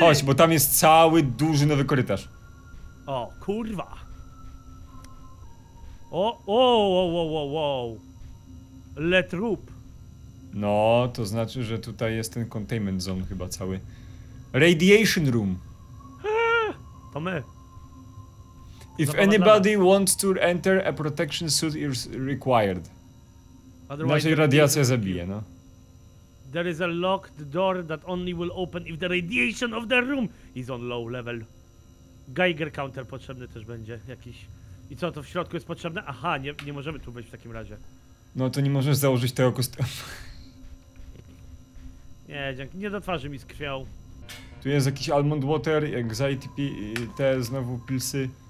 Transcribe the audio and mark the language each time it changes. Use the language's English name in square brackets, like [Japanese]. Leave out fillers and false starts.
[Polish] Chodź, bo tam jest cały duży nowy korytarz. O, kurwa. O, Let rup. No, to znaczy, że tutaj jest ten containment zone chyba cały. [English] Radiation room. [Polish] To my. [English] If anybody wants to enter, a protection suit is required. [Polish] Otherwise, radiacja zabije, no. [English] There is a locked door that only will open if the radiation of the room is on low level. [Polish] Geiger counter potrzebny też będzie jakiś. I co, to w środku jest potrzebne? Aha, nie możemy tu wejść w takim razie. No to nie możesz założyć tego kostiumu. Nie, dzięki, nie do twarzy mi skrwią. Tu jest jakiś almond water, anxiety, te znowu pilsy.